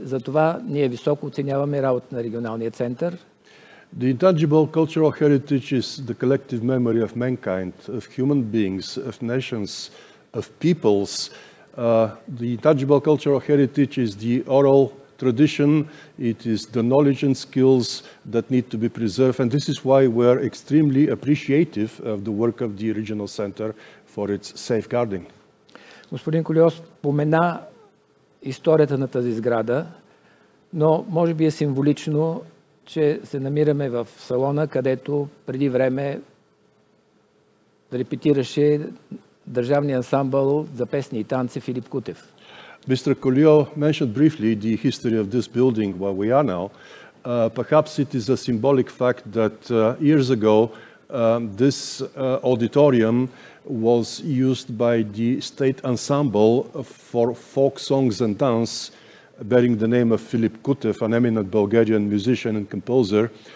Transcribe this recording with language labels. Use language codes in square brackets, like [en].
[bg] Затова ние високо оценяваме работата на регионалния център. [en] The intangible cultural heritage is the collective memory of mankind, of human beings, of nations, of peoples. The intangible cultural heritage is the oral tradition, it is the knowledge and skills that need to be preserved, and this is why we are extremely appreciative of the work of the Regional Center for its safeguarding. [bg] Господин Колиос спомена историята на тази сграда, но може би е символично, че се намираме в салона, където преди време репетираше държавния ансамбъл за песни и танци Филип Кутев. [en] Mr. Colio mentioned briefly the history of this building where we are now. Perhaps it is a symbolic fact that years ago this auditorium was used by the state ensemble for folk songs and dance bearing the name of Filip Kutev, an eminent Bulgarian musician and composer.